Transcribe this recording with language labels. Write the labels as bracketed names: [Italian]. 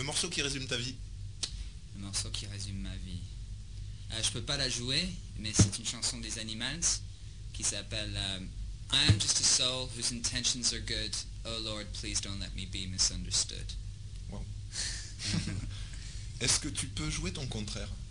[French] Qui résume ta vie? Le morceau qui résume ma vie. Je peux pas la jouer, mais c'est une chanson des Animals qui s'appelle [English] I am just a soul whose intentions are good. Oh Lord, please don't let me be misunderstood. Wow. [French] Est-ce que tu peux jouer ton contraire?